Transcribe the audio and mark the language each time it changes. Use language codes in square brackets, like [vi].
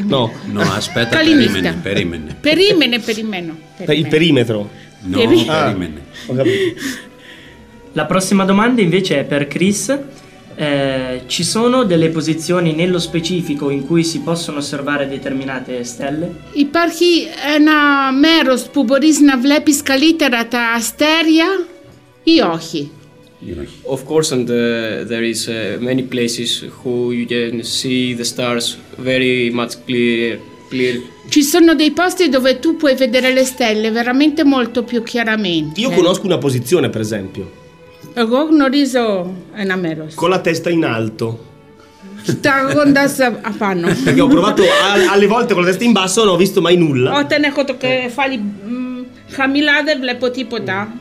[it] No, aspetta, Perimene. Perimetro. No, Perimene. Ho capito. La prossima domanda invece è per Chris. Ci sono delle posizioni nello specifico in cui si possono osservare determinate stelle? [el] Υπάρχει ένα μέρος που μπορείς να βλέπεις καλύτερα τα αστέρια ή όχι? [en] Of course, and there is many places who you can see the stars very much clear. [it] Ci sono dei posti dove tu puoi vedere le stelle veramente molto più chiaramente. Io conosco una posizione, per esempio. [el] Εγώ γνωρίζω ένα μέρος. [it] Con la testa in alto. [el] Κοιτάγοντας απάνω. [it] Perché ho provato alle volte con la testa in basso, non ho visto mai nulla. [el] Όταν έχω το κεφάλι χαμηλά, δεν βλέπω τίποτα.